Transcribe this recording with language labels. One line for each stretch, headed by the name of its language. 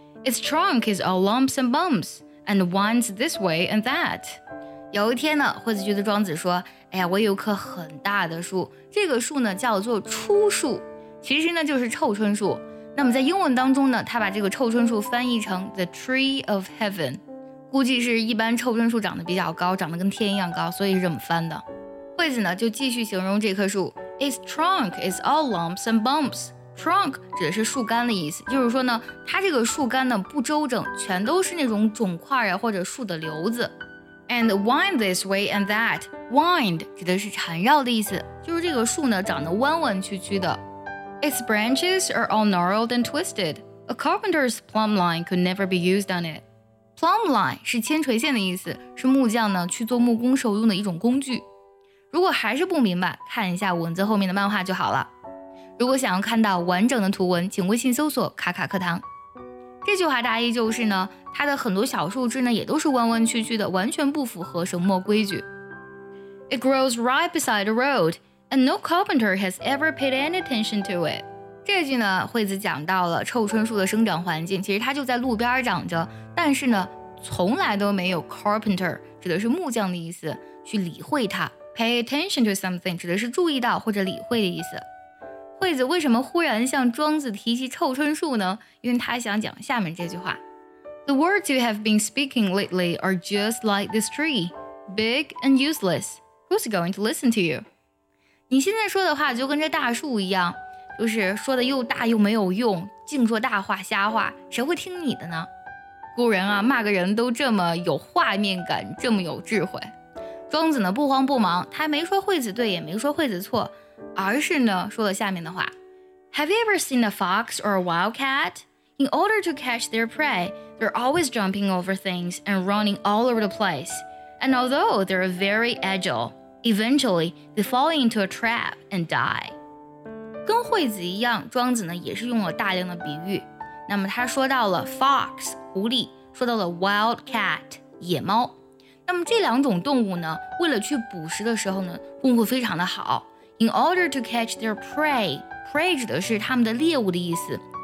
English: Its trunk is all lumps and bumps, and winds this way and that.
Chinese: 有一天呢，惠子觉得庄子说，哎呀，我有棵很大的树，这个树呢叫做初树，其实呢就是臭椿树。那么在英文当中呢，他把这个臭椿树翻译成
English: the tree of heaven，
Chinese: 估计是一般臭椿树长得比较高，长得跟天一样高，所以是这么翻的。惠子呢就继续形容这棵树，
English: Its trunk is all lumps and bumps.
Chinese: Trunk 指的是树干的意思，就是说呢，它这个树干呢不周整，全都是那种肿块啊或者树的瘤子。
English: And wind this way and that.
Chinese: Wind 指的是缠绕的意思，就是这个树呢长得弯弯曲曲的。
English: Its branches are all gnarled and twisted. A carpenter's plumb line could never be used on it.
Chinese: Plumb line 是铅垂线的意思，是木匠呢去做木工时候用的一种工具。如果还是不明白，看一下文字后面的漫画就好了。如果想要看到完整的图文，请微信搜索卡卡课堂。这句话大意就是呢，它的很多小树枝呢也都是弯弯曲曲的，完全不符合什么规矩。
English: It grows right beside the road, and no carpenter has ever paid any attention to it.
Chinese: 这句呢，惠子讲到了臭椿树的生长环境，其实它就在路边长着，但是呢，从来都没有 carpenter， 指的是木匠的意思，去理会它。
English: Pay attention to something
Chinese: 指的是注意到或者理会的意思。惠子为什么忽然向庄子提起臭椿树呢？因为他想讲下面这句话。
English: The words you have been speaking lately are just like this tree, big and useless. Who's going to listen to you?
Chinese: 你现在说的话就跟这大树一样，就是说的又大又没有用，净说大话瞎话，谁会听你的呢？古人啊，骂个人都这么有画面感，这么有智慧。庄子呢不慌不忙，他没说惠子对，也没说惠子错，而是呢说了下面的话。
English: Have you ever seen a fox or a wildcat? In order to catch their prey, they're always jumping over things and running all over the place. And although they're very agile, eventually they fall into a trap and die.
Chinese: 跟惠子一样，庄子呢也是用了大量的比喻。那么他说到了 fox 狐狸，说到了 wildcat 野猫。那么这两种动物呢，为了去捕食的时候呢，功夫非常的好。
English: In order to catch their prey, prey
Chinese: 指的是他们的猎物的意思。